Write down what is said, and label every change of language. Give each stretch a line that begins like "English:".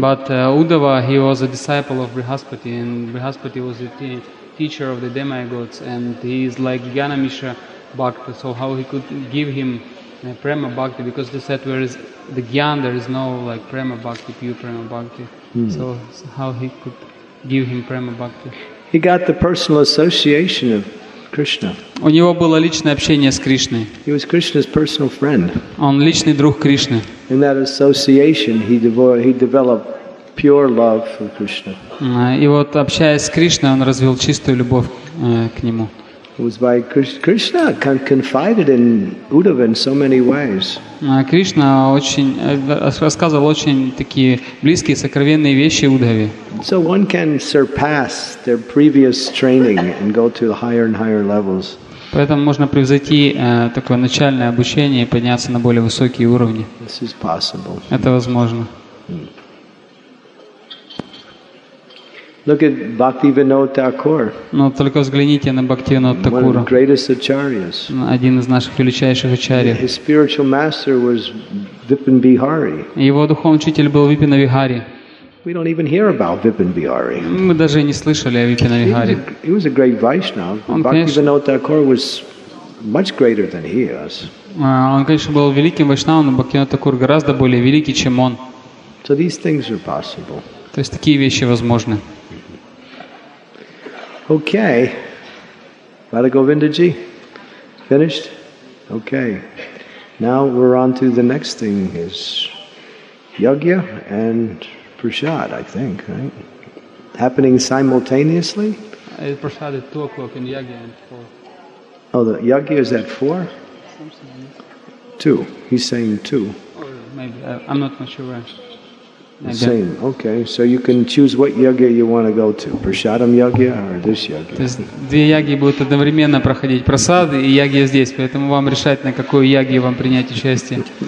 English: But Uddhava, he was a disciple of Brihaspati, and Brihaspati was a teacher of the demigods, and he is like Gyanamisha Bhakti. So how he could give him Prema Bhakti, because they said where is the Gyan, there is no like Prema Bhakti, pure Prema Bhakti. So how he could give him Prema Bhakti? He got the personal association of Krishna.
Russian: У него было личное общение с Кришной.
English: He was Krishna's personal friend.
Russian: Он личный друг Кришны.
English: In that association, he developed pure love for Krishna.
Russian: И вот общаясь с Кришной, он развил чистую любовь к нему.
English: It was by Krishna confided in Uddhava in so many ways.
Russian: Кришна очень рассказывал очень такие близкие сокровенные вещи Удхаве.
English: So one can surpass their previous training and go to higher and higher levels.
Russian: Поэтому можно превзойти такое начальное обучение и подняться на более высокие уровни.
English: This is possible.
Russian: Это возможно.
English: Look at Bhaktivinoda Thakur.
Russian: Но только взгляните на Бхактивинода Такура.
English: One of the greatest acharyas.
Russian: Один из наших величайших ачарьев.
English: His spiritual master was Vipin Bihari.
Russian: Его духовный учитель был Випина Вихари.
English: We don't even hear about Vipin Bihari.
Russian: Мы даже не слышали о Випина Вихари.
English: He was a great Vaishnava. Bhaktivinoda Thakur was much greater than he is.
Russian: Он, конечно, был великим вайшнавом, но Бхактивинода Такур гораздо более великий, чем он.
English: So these things are possible.
Russian: То есть такие вещи возможны.
English: Okay. Radha Govinda ji. Finished? Okay. Now we're on to the next thing is yagya and prasad, I think, right? Happening simultaneously? Prasad at 2:00 and yagya at 4:00. Oh, the yagya is at 4:00? Something. 2:00. He's saying 2:00. Or maybe I'm not much sure. Same. Okay. So you can choose what yagya you want to go to. Prasadam yagya or this yagya.
Russian: То есть две яги будут одновременно проходить. Прасад и ягья здесь. Поэтому вам решать, на какую ягью вам принять участие.